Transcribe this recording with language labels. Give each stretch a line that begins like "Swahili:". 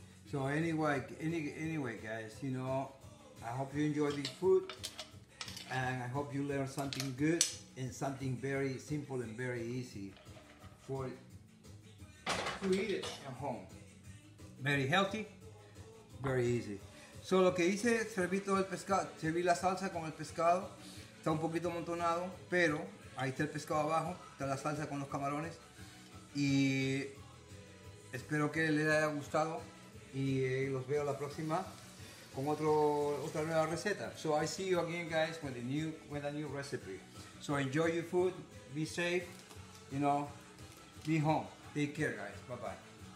English: So anyway, guys, you know, I hope you enjoy this food. And I hope you learn something good and something very simple and very easy for to eat it at home. Very healthy, very easy.
Spanish: So lo que hice, serví todo el pescado, serví la salsa con el pescado. Está un poquito amontonado, pero ahí está el pescado abajo, está la salsa con los camarones. Y espero que les haya gustado y los veo la próxima con otra nueva receta.
English: So I see you again, guys, with a new recipe. So enjoy your food, be safe, you know, be home. Take care, guys. Bye bye.